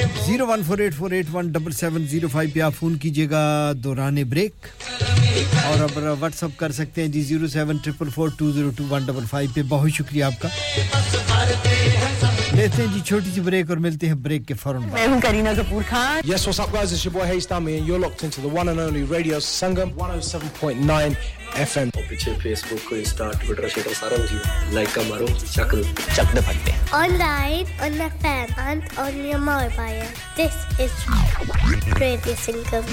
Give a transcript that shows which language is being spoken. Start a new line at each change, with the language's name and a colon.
Urdu: 01484817705 پہ آپ فون کیجئے گا دوران بریک اور اب واٹس اپ کر سکتے ہیں جی 07444202155 پہ بہت شکریہ آپ کا لیتے ہیں جی چھوٹی سی بریک اور ملتے ہیں بریک کے فوراً میں ہوں Kareena Kapoor Khan
English: Yes, what's up guys, it's your boy Haste Dami and you're locked into the one and only Radio Sangam 107.9 FM
Urdu: اور پیچھے فیس بک کو انسٹا ٹویٹر شیٹر سارا ہو جی لائک کا مارو چکر
Punjabi: چک دے پھٹتے ہیں
English: online on the fan and on your mobile this is Radio Sangam